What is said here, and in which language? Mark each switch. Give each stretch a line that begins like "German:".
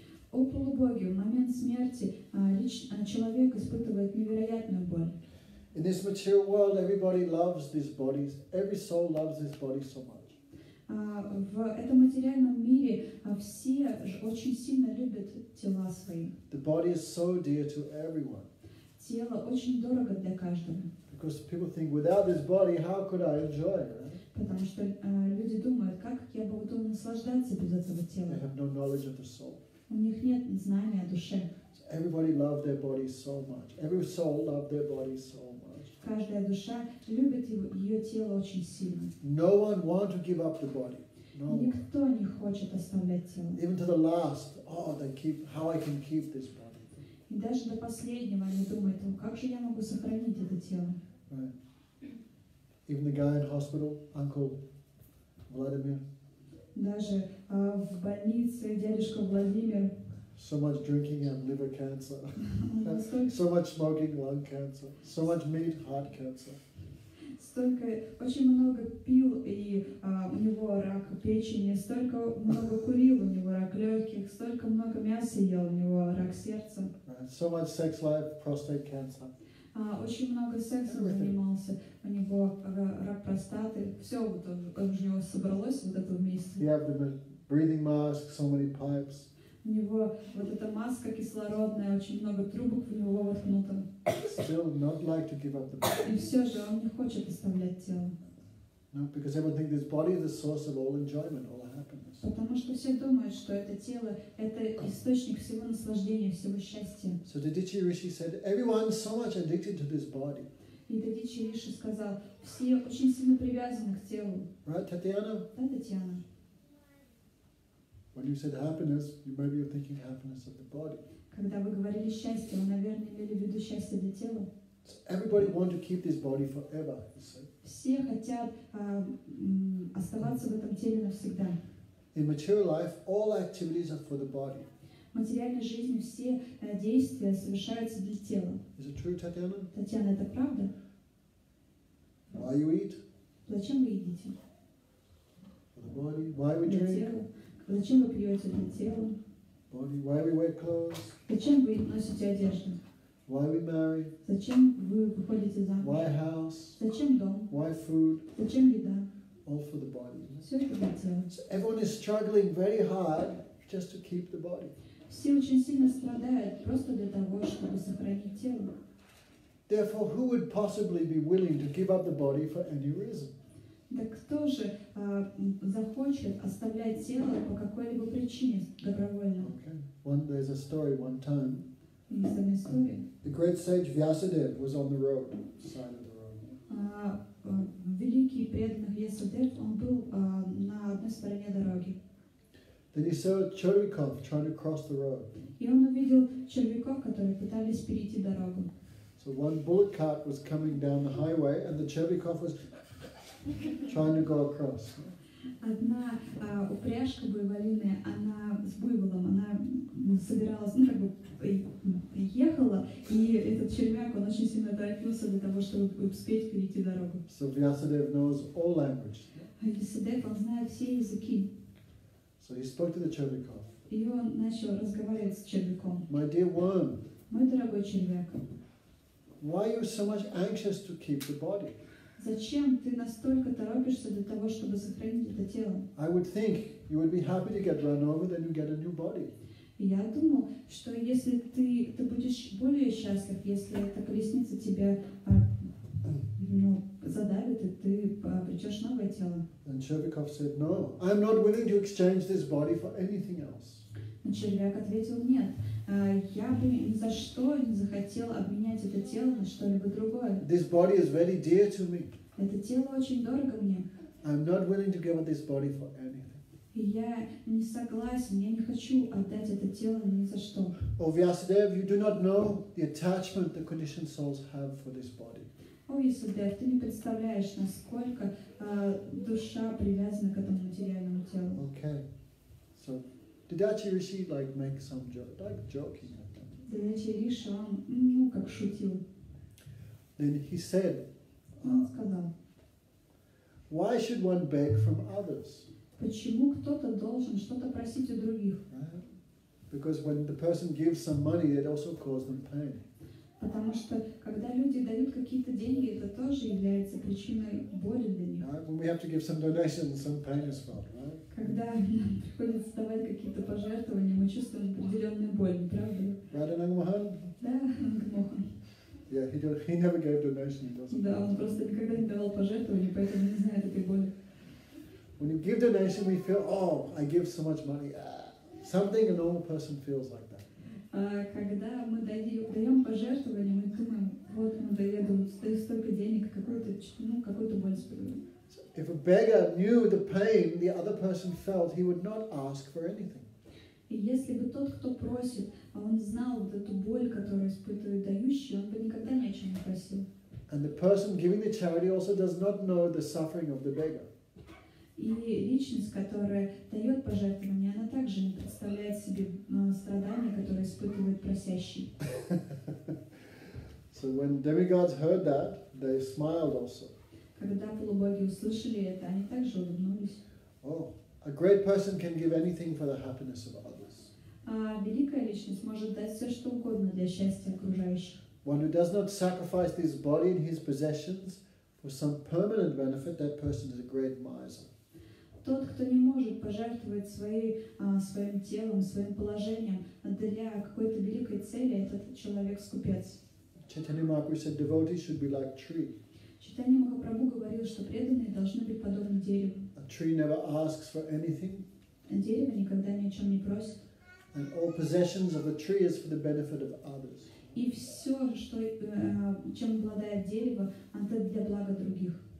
Russian: О полубоги, в момент смерти человек испытывает невероятную боль.
English: In this material world, everybody loves these bodies. Every soul loves this body so much.
Russian: В этом материальном мире все очень сильно любят тела свои.
English: The body is so dear to everyone.
Russian: Тело очень дорого для каждого.
English: Because people think, without this body, how could I enjoy it?
Russian: Потому что люди думают, как я буду наслаждаться без этого тела?
English: They have no knowledge of the soul.
Russian: У них нет знания о душе.
English: So everybody loved their body so much. Every soul loved their body so much.
Russian: Каждая душа любит ее тело очень сильно.
English: No one wants to give up the body. No.
Russian: Никто не хочет оставлять тело.
English: Even to the last, oh, they keep. How I can keep this body?
Russian: И даже до последнего они думают: как же я могу сохранить это тело?
English: Right. Even the guy in hospital, uncle Vladimir.
Russian: Даже в больнице дядюшка Владимир.
English: So much drinking and liver cancer. So much smoking, lung cancer. So much meat, heart cancer.
Russian: Столько, очень много пил и у него рак печени, столько много курил, у него рак легких, столько много мяса ел, у него рак сердца.
English: So much sex life, prostate cancer.
Russian: Очень много сексом занимался, у него рак простаты, все вот как же у него собралось вот это вместе.
English: He had the breathing mask, so many pipes.
Russian: У него вот эта маска кислородная, очень много трубок в него воткнуто.
English: Still not like to give up the body.
Russian: И все же он не хочет оставлять тело.
English: No, because everyone thinks this body is the source of all enjoyment, all happiness.
Russian: Потому что все думают, что это тело это источник всего наслаждения, всего счастья.
English: So the Dichi Rishi said, "Everyone so much addicted to this body."
Russian: И Дичи Риши сказал: все очень сильно привязаны к телу.
English: Right, Татьяна?
Russian: Да, Татьяна.
English: When you said happiness, you maybe you're thinking happiness of the body.
Russian: Когда вы говорили счастье, вы, наверное, имели в виду счастье для тела.
English: So everybody wants to keep this body forever, you see.
Russian: Все хотят оставаться в этом теле навсегда.
English: In material life, all activities are for the body.
Russian: В материальной жизни все действия совершаются для тела.
English: Is it true, Татьяна?
Russian: Татьяна, это правда?
English: Why you eat?
Russian: Зачем вы едите?
English: The body, why we drink?
Russian: Зачем вы пьете для тела?
English: Body, why we wear clothes?
Russian: Зачем вы носите одежду?
English: Why we marry?
Russian: Зачем вы выходите замуж?
English: Why house?
Russian: Зачем дом?
English: Why food?
Russian: Зачем еда?
English: All for the body.
Russian: Все это для тела.
English: So everyone is struggling very hard just to keep the body.
Russian: Все очень сильно страдают просто для того, чтобы сохранить тело.
English: Therefore, who would possibly be willing to give up the body for any reason?
Russian: Да кто же захочет оставлять тело по какой-либо причине добровольно?
English: Okay. One, there's a story one time.
Russian: Есть одна история.
English: The great sage Vyasadeva was on the road, side of the road.
Russian: Великий преданный Вьясадев, он был на одной стороне дороги.
English: Then he saw Червяков trying to cross the road.
Russian: И он увидел червяков, которые пытались перейти дорогу.
English: So one bullock cart was coming down the highway, and the Червяков was trying to go across.
Russian: Одна упряжка буйволиная, она с буйволом, она собиралась, ну как бы ехала, и этот червяк, он очень сильно торопился для того, чтобы успеть перейти дорогу.
English: So Vyasadeva knows all languages.
Russian: Vyasadeva, он знает все языки.
English: So he spoke to the Червяков.
Russian: И он начал разговаривать с червяком.
English: My dear worm.
Russian: Мой дорогой червяк.
English: Why are you so much anxious to keep the body?
Russian: Зачем ты настолько торопишься для того, чтобы сохранить это тело?
English: I would think you would be happy to get run over than you get a new body.
Russian: Я думал, что если ты будешь более счастлив, если эта колесница тебя задавит, и ты обретешь новое тело.
English: And Червяков said, no, I'm not willing to exchange this body for anything else.
Russian: Но червяк ответил, нет, я бы ни за что не захотел обменять это тело на что-либо другое.
English: This body is very dear to me.
Russian: Это тело очень дорого мне.
English: I'm not willing to give up this body for anything.
Russian: И я не согласен, я не хочу отдать это тело ни за что.
English: O Vyasadeva, you do not know the attachment the conditioned souls have for this body.
Russian: О, Исудев, ты не представляешь, насколько душа привязана к этому материальному телу.
English: Okay. So, did Ачи Риши, like, make some joke, like, joking at them?
Russian: Ачи Риши, он, как шутил.
English: Then he said,
Russian: он сказал,
English: why should one beg from others?
Russian: Почему кто-то должен что-то просить у других?
English: Right? Because when the person gives some money, it also causes them pain.
Russian: Потому что когда люди дают какие-то деньги, это тоже является причиной боли для них.
English: When we have to give some donations, some pain is felt, right?
Russian: Когда нам приходится давать какие-то пожертвования, мы чувствуем определенную боль, правда?
English: Right, Ang-Mohan?
Russian: Да, Ang-Mohan.
English: Yeah, he never gave donations, doesn't he?
Russian: Да, он просто никогда не давал пожертвования, поэтому не знает этой боли.
English: When you give donation, we feel, oh, I give so much money. Something a normal person feels like that.
Russian: Когда мы даем пожертвования, мы думаем, вот мы даем столько денег, какую-то боль испытываем.
English: So if a beggar knew the pain the other person felt, he would not ask for anything.
Russian: И если бы тот, кто просит, он знал вот эту боль, которую испытывает дающий, он бы никогда ни о чем не просил.
English: And the person giving the charity also does not know the suffering of the beggar.
Russian: И личность, которая дает пожертвование, она также не представляет себе страдания, которые испытывает просящий.
English: So when demigods heard that, they smiled also.
Russian: Когда полубоги услышали это, они также улыбнулись.
English: Oh, a great person can give anything for the happiness of others.
Russian: А великая личность может дать все, что угодно для счастья окружающих.
English: One who does not sacrifice his body and his possessions for some permanent benefit, that person is a great miser.
Russian: Тот, кто не может пожертвовать своим телом, своим положением для какой-то великой цели, этот человек скупец.
English: Чайтанья Махапрабху said, devotees should be like tree.
Russian: Чайтанья Махапрабху говорил, что преданные должны быть подобны дереву.
English: A tree never asks for anything.
Russian: А дерево никогда ни о чем не просит.
English: And all possessions of a tree is for the benefit of others.
Russian: И все, что, чем обладает дерево, это для блага других.